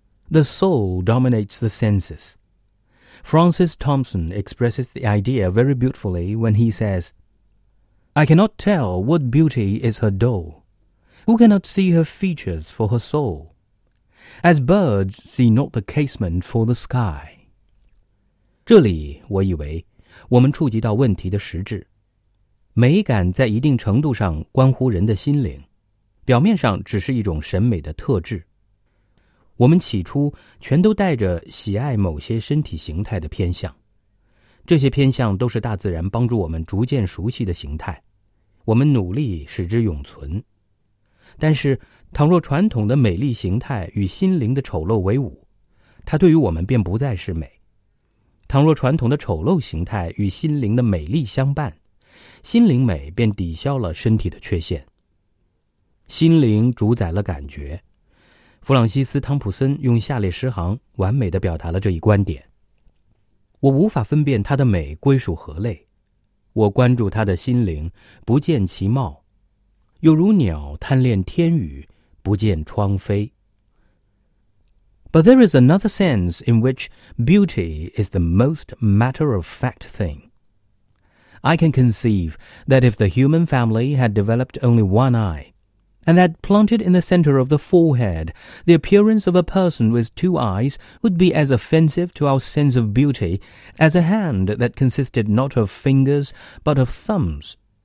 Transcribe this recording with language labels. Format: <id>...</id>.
<en>The soul dominates the senses. Francis Thompson expresses the idea very beautifully when he says, I cannot tell what beauty is her doll. Who cannot see her features for her soul? As birds see not the casement for the sky.</en> <zh>这里我以为我们触及到问题的实质。美感在一定程度上关乎人的心灵，表面上只是一种审美的特质。我们起初全都带着喜爱某些身体形态的偏向，这些偏向都是大自然帮助我们逐渐熟悉的形态，我们努力使之永存。但是倘若传统的美丽形态与心灵的丑陋为伍，它对于我们便不再是美。倘若传统的丑陋形态与心灵的美丽相伴，心灵美便抵消了身体的缺陷。心灵主宰了感觉。弗朗西斯·汤普森用下列诗行完美地表达了这一观点。我无法分辨她的美归属何类，我关注她的心灵，不见其貌，又如鸟贪恋天宇，不见窗扉。</zh> <en>But there is another sense in which beauty is the most matter-of-fact thing. I can conceive that if the human family had developed only one eye, and had planted in the center of the forehead, the appearance of a person with two eyes would be as offensive to our sense of beauty as a hand that consisted not of fingers, but of thumbs.</en>